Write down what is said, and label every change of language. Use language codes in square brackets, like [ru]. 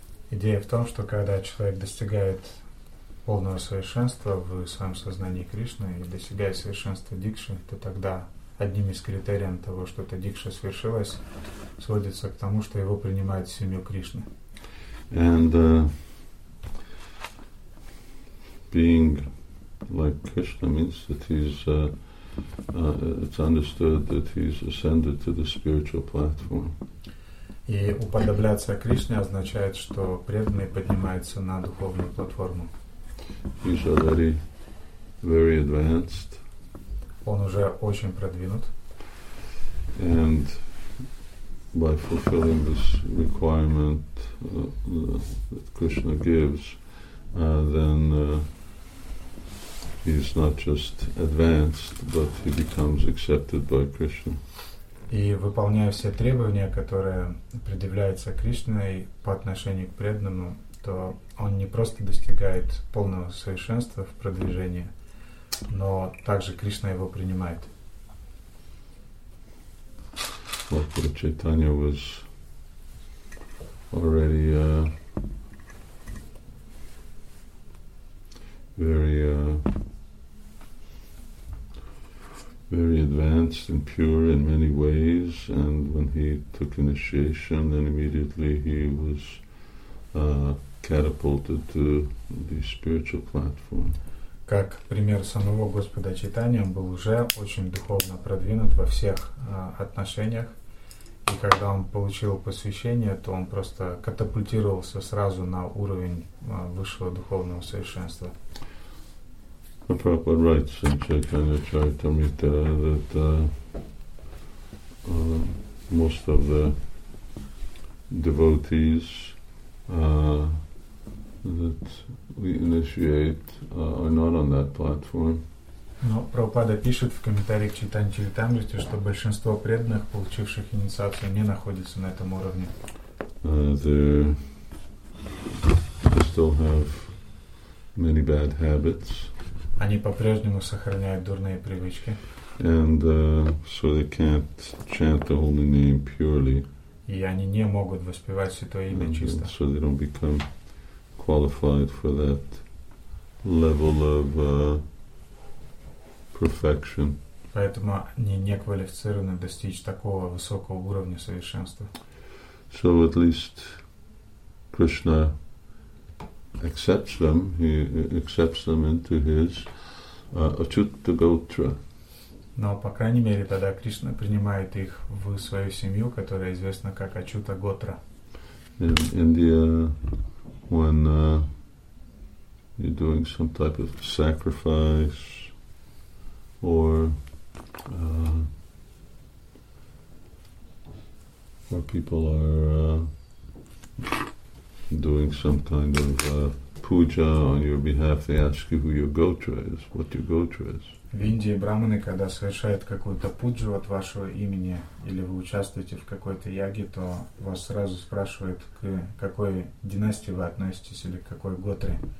[ru] Идея в том, что когда человек достигает полного совершенства в своем сознании Кришны и достигает совершенства дикши, то тогда одним из критериев того, что эта дикша свершилась, сводится к тому, что его принимают в семью Кришны. [en] And being like Krishna means that he's it's understood that he's ascended to the spiritual platform. [ru] И уподобляться Кришне означает, что преданный поднимается на духовную платформу. [en] He's already very advanced. [ru] Он уже очень продвинут. [en] And by fulfilling this requirement that Krishna gives, then he's not just advanced, but he becomes accepted by Krishna. [ru] И выполняя все требования, которые предъявляются Кришной по отношению к преданному, то он не просто достигает полного совершенства в продвижении, но также Кришна его принимает. [en] Lord Chaitanya was already very advanced and pure in many ways, and when he took initiation, then immediately he was catapulted to the spiritual platform. [ru] Как пример самого Господа Чайтанья, он был уже очень духовно продвинут во всех отношениях, и когда он получил посвящение, то он просто катапультировался сразу на уровень высшего духовного совершенства. [en] The Prabhupada writes in Chaitanya Charitamrita that most of the devotees that we initiate are not on that platform. [ru] Но Прабхупада пишет в комментариях к Чайтанья Чаритамрите, что большинство преданных, получивших инициацию, не находится на этом уровне. [en] They still have many bad habits. [ru] Они по-прежнему сохраняют дурные привычки. [en] And so they can't chant the holy name purely. [ru] И они не могут воспевать святое имя чисто. [en] So they don't become qualified for that level of perfection. [ru] Поэтому они не квалифицированы достичь такого высокого уровня совершенства. [en] So at least Krishna accepts them. He accepts them into his Achyuta Gotra. [ru] Но по крайней мере тогда Кришна принимает их в свою семью, которая известна как Achyuta Gotra. [en] In India, when you're doing some type of sacrifice or people are doing some kind of puja on your behalf, they ask you who your gotra is, what your gotra is. [ru] В Индии брахманы, когда совершают какую-то пуджу от вашего имени или вы участвуете в какой-то яге, то вас сразу спрашивают, к какой династии вы относитесь или к какой готре.